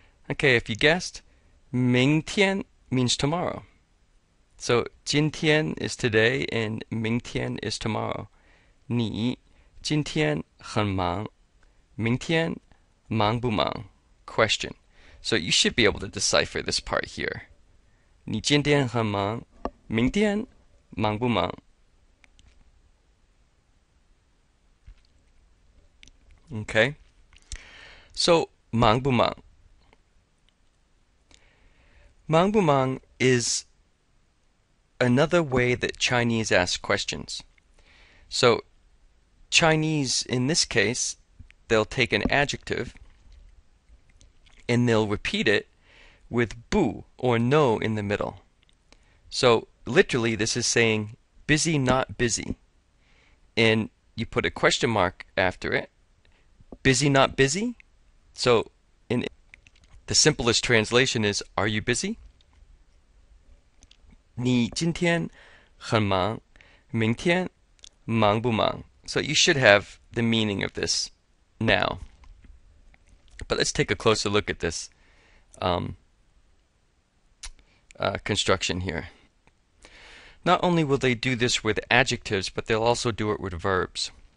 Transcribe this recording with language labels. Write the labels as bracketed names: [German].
[English] Okay, if you guessed, ming tian means tomorrow. So jin tian is today and ming tian is tomorrow. [Chinese] Ni jin tian hen mang, ming tian mang bu mang? Question. [English] So you should be able to decipher this part here. [Chinese] 你今天很忙，明天忙不忙? [English] Okay. So [Chinese] 忙不忙? 忙不忙 [English] is another way that Chinese ask questions. So Chinese, in this case, they'll take an adjective. And they'll repeat it with bu or no in the middle. So literally, this is saying busy, not busy. And you put a question mark after it. Busy, not busy. So in the simplest translation is, are you busy? [Chinese] 你今天很忙，明天忙不忙? [English] So you should have the meaning of this now. But let's take a closer look at this construction here. Not only will they do this with adjectives, but they'll also do it with verbs.